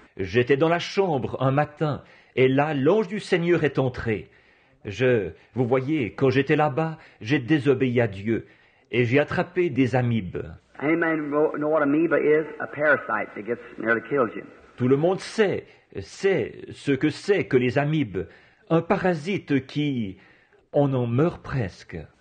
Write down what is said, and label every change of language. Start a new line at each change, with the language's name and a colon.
French: J'étais dans la chambre un matin et là l'ange du Seigneur est entré. Vous voyez, quand j'étais là-bas, j'ai désobéi à Dieu et j'ai attrapé des amibes.
English: Anybody know what amoeba is? A parasite that gets nearly kills you.
French: Tout le monde sait. C'est ce que c'est que les amibes, un parasite qui, on en meurt presque.